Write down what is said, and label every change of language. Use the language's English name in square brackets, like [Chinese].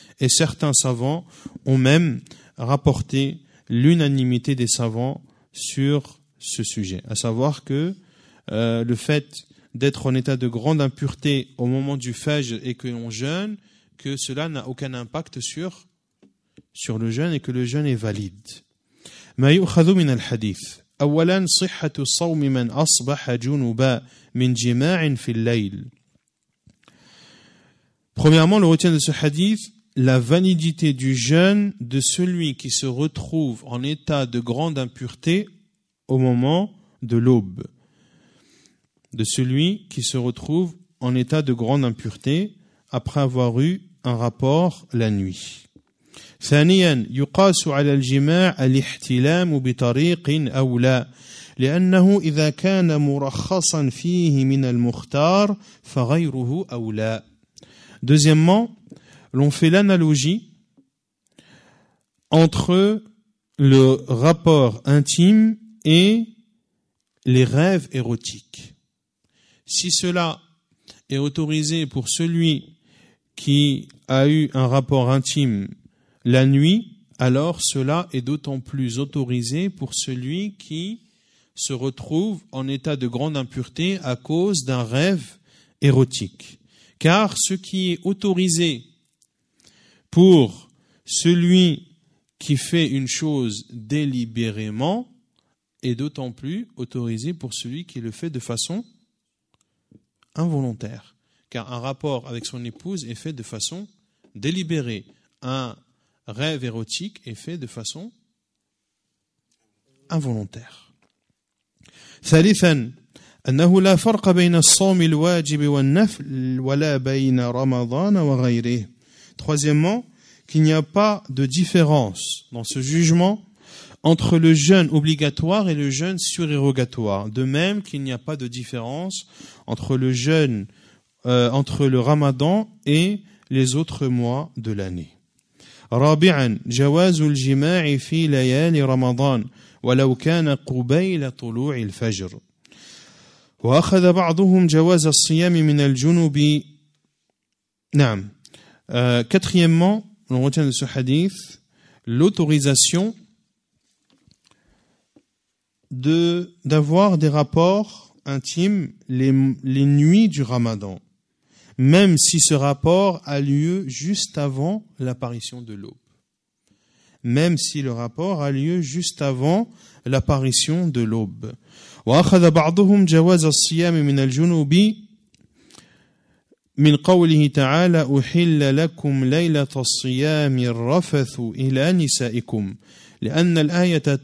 [French] Et certains savants ont même rapporté l'unanimité des savants sur ce sujet, à savoir que le fait d'être en état de grande impureté au moment du fajr et que l'on jeûne, que cela n'a aucun impact sur le jeûne et que le jeûne est valide. [Arabic] ما يؤخذ من الحديث أولا صحة صوم من أصبح جنبا من جماع في الليل. [French] Premièrement, le retient de ce hadith la validité du jeûne de celui qui se retrouve en état de grande impureté au moment de l'aube. De celui qui se retrouve en état de grande impureté après avoir eu un rapport la nuit. [Arabic] ثانياً يقاس على الجماع الاحتلام بطريق أولى لأنه إذا كان مرخصا فيه من المختار فغيره أولى. [French] Deuxièmement, l'on fait l'analogie entre le rapport intime et les rêves érotiques. Si cela est autorisé pour celui qui a eu un rapport intime la nuit, alors cela est d'autant plus autorisé pour celui qui se retrouve en état de grande impureté à cause d'un rêve érotique. Car ce qui est autorisé pour celui qui fait une chose délibérément est d'autant plus autorisé pour celui qui le fait de façon involontaire, car un rapport avec son épouse est fait de façon délibérée. Un rêve érotique est fait de façon involontaire. [Arabic] Thalithan, أنه لا فرق بين الصوم الواجب والنفل ولا بين رمضان وغيره. [French] Troisièmement, qu'il n'y a pas de différence dans ce jugement entre le jeûne obligatoire et le jeûne surérogatoire. De même qu'il n'y a pas de différence entre le jeûne, entre le ramadan et les autres mois de l'année. [Arabic] رابعا جواز الجماع في ليالي رمضان ولو كان قبيل طلوع الفجر. وأخذ بعضهم جواز الصيام من الجنوب. نعم. [French] Quatrièmement, on retient de ce hadith l'autorisation d'avoir des rapports intimes les nuits du Ramadan, même si ce rapport a lieu juste avant l'apparition de l'aube. Même si le rapport a lieu juste avant l'apparition de l'aube. [Arabic] وأخذ بعضهم جواز الصيام من الجنوب من قوله تعالى أحل لكم ليلة الصيام الرفث إلى نسائكم، لأن الآية